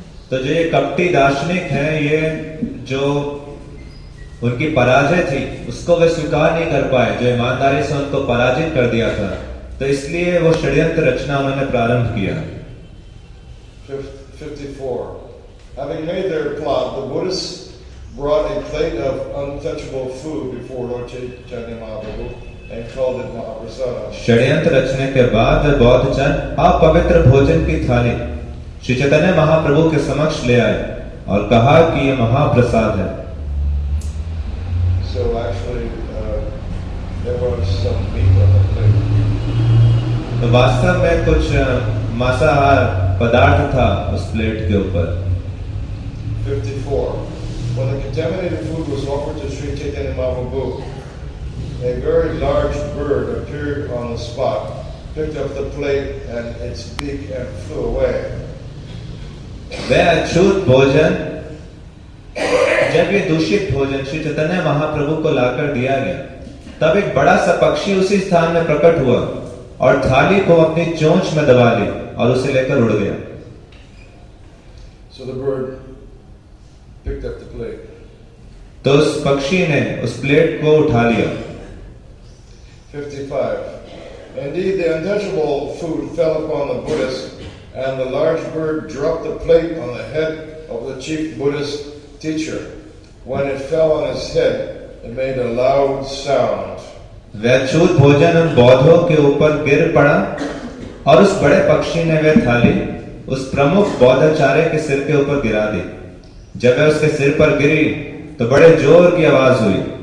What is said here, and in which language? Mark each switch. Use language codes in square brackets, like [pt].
[hi] तो जो ये कपटी दार्शनिक है, ये जो उनकी पराजय थी उसको वे स्वीकार नहीं कर पाए, जो ईमानदारी से उनको पराजित कर दिया था, तो इसलिए वो षड्यंत्र रचना उन्होंने प्रारंभ किया। [en] 54 Having made their plot, the Buddhists brought a plate of untouchable food before Lord Chaitanya Mahaprabhu and called it Mahaprasada. [hi] षड्यंत्र रचने के बाद बौद्धजन अपवित्र भोजन की थाली श्री चैतन्य महाप्रभु के समक्ष ले आए और कहा कि यह महाप्रसाद है। [en] So actually, there was some meat on the plate. [hi] तो वास्तव में कुछ मांसाहार पदार्थ था उस प्लेट के ऊपर। [en] 54. When the contaminated food was offered to Sri Chaitanya Mahaprabhu, a very large bird appeared on the spot, picked up the plate and its beak and flew away. [hi] वह अछूत भोजन जब ये दूषित भोजन श्री चैतन्य महाप्रभु को लाकर दिया गया, तब एक बड़ा सा पक्षी उसी स्थान में प्रकट हुआ और थाली को अपनी चोंच में दबा ली और उसे लेकर उड़ गया। [en] So the bird picked up the plate. [hi] तो उस पक्षी ने उस प्लेट को उठा लिया। [en] 55 Indeed, the untouchable food fell upon the Buddhist, and the large bird dropped the plate on the head of the chief Buddhist teacher. When it fell on his head, it made a loud sound. [hi] वह अछूत भोजन उन बौद्धों के ऊपर गिर पड़ा और उस बड़े पक्षी ने वह थाली उस प्रमुख बौद्धाचार्य के सिर के ऊपर गिरा दी। जब वह उसके सिर पर गिरी तो बड़े जोर की आवाज हुई।